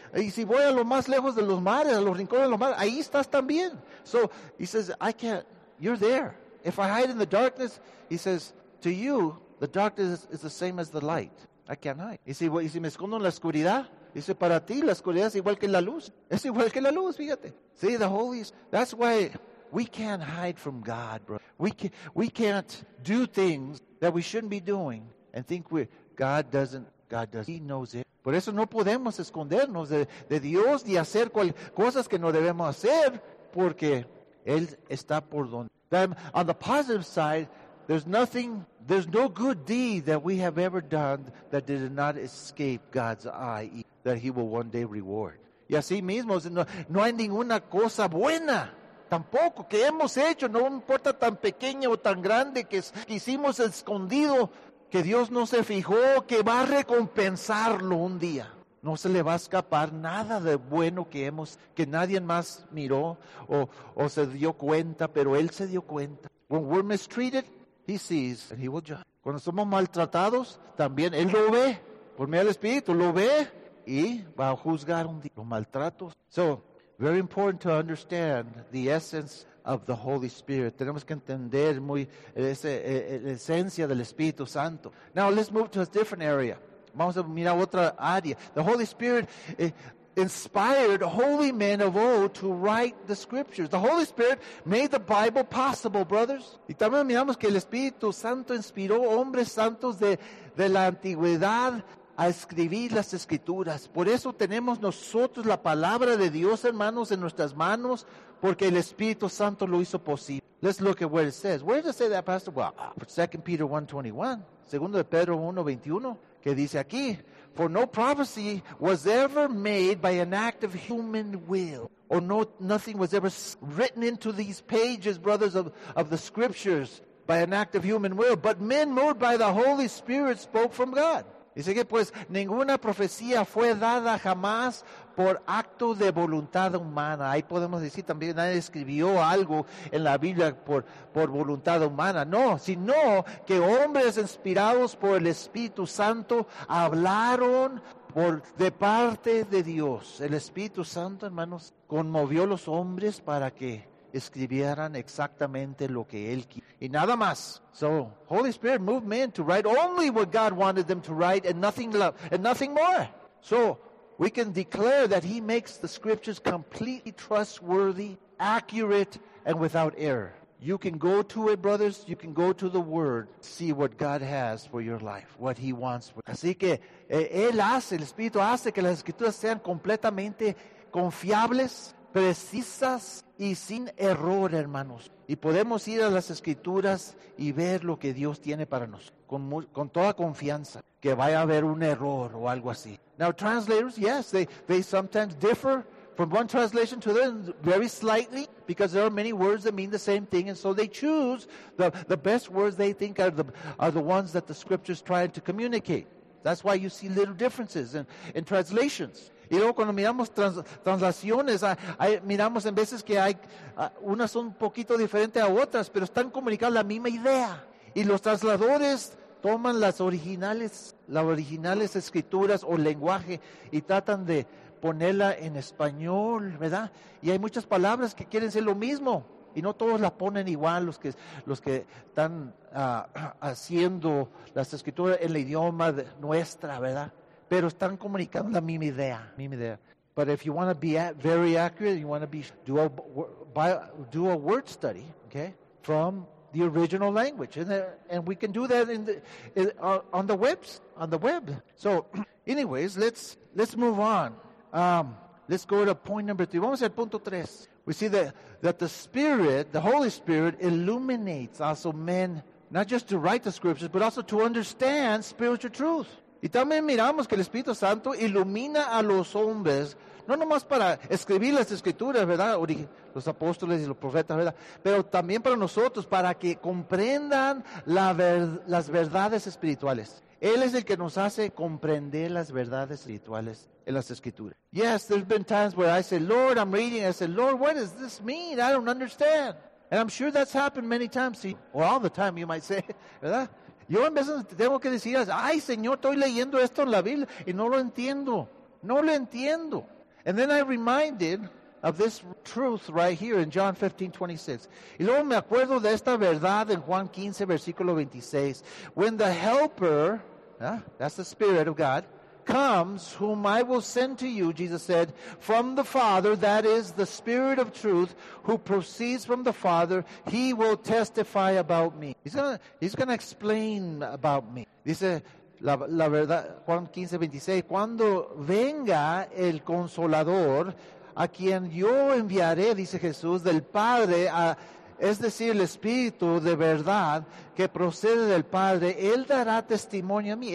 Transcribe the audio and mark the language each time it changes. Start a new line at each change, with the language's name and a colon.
Spanish: Si voy a lo más lejos de los mares, a los rincones de los mares, ahí estás también.
English: So he says, I can't. You're there. If I hide in the darkness, he says to you, the darkness is the same as the light. I can't hide.
Spanish: Y si me escondo en la oscuridad, dice, para ti la oscuridad es igual que la luz. Es igual que la luz, fíjate.
English: See, the Holy Spirit. That's why we can't hide from God, bro. We can't do things that we shouldn't be doing and think God doesn't. He knows it.
Spanish: Por eso no podemos escondernos de Dios ni hacer cosas que no debemos hacer porque Él está por donde.
English: Then, on the positive side, there's no good deed that we have ever done that did not escape God's eye, that he will one day reward.
Spanish: Y así mismo, no hay ninguna cosa buena, tampoco, que hemos hecho, no importa tan pequeña o tan grande que hicimos escondido, que Dios no se fijó, que va a recompensarlo un día. No se le va a escapar nada de bueno que nadie más miró o se dio cuenta, pero Él se dio cuenta.
English: When we're mistreated, He sees and he will judge.
Spanish: Cuando somos maltratados, también Él lo ve. Por medio del Espíritu, lo ve y va a juzgar un día los maltratos.
English: So, very important to understand the essence of the Holy Spirit.
Spanish: Tenemos que entender muy la esencia del Espíritu Santo.
English: Now, let's move to a different area.
Spanish: Vamos a mirar otra área.
English: The Holy Spirit inspired holy men of old to write the scriptures. The Holy Spirit made the Bible possible, brothers.
Spanish: Y también miramos que el Espíritu Santo inspiró hombres santos de la antigüedad a escribir las escrituras. Por eso tenemos nosotros la palabra de Dios, hermanos, en nuestras manos, porque el Espíritu Santo lo hizo posible.
English: Let's look at where it says. Where does it say that, Pastor? Well, 2 Peter 1:21.
Spanish: 2 Pedro 1:21, que dice aquí,
English: for no prophecy was ever made by an act of human will. Or no, nothing was ever written into these pages, brothers, of the scriptures by an act of human will. But men moved by the Holy Spirit spoke from God.
Spanish: Dice que pues ninguna profecía fue dada jamás por acto de voluntad humana. Ahí podemos decir también nadie escribió algo en la Biblia por voluntad humana. No, sino que hombres inspirados por el Espíritu Santo hablaron de parte de Dios. El Espíritu Santo, hermanos, conmovió a los hombres para que escribieran exactamente lo que Él quiso. Y nada más.
English: So, Holy Spirit moved men to write only what God wanted them to write and nothing more. So, we can declare that he makes the scriptures completely trustworthy, accurate, and without error. You can go to it, brothers. You can go to the Word. See what God has for your life. What he wants for you.
Spanish: Así que, Él hace, el Espíritu hace que las escrituras sean completamente confiables, precisas y sin error, hermanos. Y podemos ir a las escrituras y ver lo que Dios tiene para nosotros. Con toda confianza que vaya a haber un error o algo así.
English: Now, translators, yes, they sometimes differ From one translation to the other, very slightly, because there are many words that mean the same thing, and so they choose the best words they think are the ones that the scriptures try to communicate. That's why you see little differences in translations.
Spanish: Y luego cuando miramos translaciones, miramos en veces que hay unas son un poquito diferentes a otras, pero están comunicando la misma idea. Y los trasladores toman las originales escrituras o lenguaje y tratan de ponerla en español, ¿verdad? Y hay muchas palabras que quieren ser lo mismo y no todos la ponen igual los que están haciendo las escrituras en el idioma nuestra, ¿verdad? Pero están comunicando la misma idea,
English: But if you want to be very accurate, you want to do a word study, okay, from the original language, and we can do that on the web. So, anyways, let's move on. Let's go to point number three.
Spanish: Vamos al punto tres.
English: We see that the Spirit, the Holy Spirit, illuminates also men, not just to write the scriptures, but also to understand spiritual truth.
Spanish: Y también miramos que el Espíritu Santo ilumina a los hombres, no nomás para escribir las escrituras, ¿verdad? Los apóstoles y los profetas, ¿verdad? Pero también para nosotros, para que comprendan las verdades espirituales. Él es el que nos hace comprender las verdades espirituales en las escrituras.
English: Yes, there's been times where I say, Lord, I'm reading. I say, Lord, what does this mean? I don't understand. And I'm sure that's happened many times. See, or all the time, you might say, ¿verdad?
Spanish: Yo en veces tengo que decir, ay, Señor, estoy leyendo esto en la Biblia y no lo entiendo. No lo entiendo.
English: And then I reminded of this truth right here in John 15:26.
Spanish: Y luego me acuerdo de esta verdad en Juan 15, versículo 26.
English: When the Helper, that's the Spirit of God, comes, whom I will send to you, Jesus said, from the Father, that is the Spirit of truth, who proceeds from the Father, he will testify about me. He's gonna explain about me.
Spanish: Dice la verdad, Juan 15, 26, cuando venga el Consolador, a quien yo enviaré, dice Jesús, del Padre, es decir, el Espíritu de verdad que procede del Padre, Él dará testimonio a mí.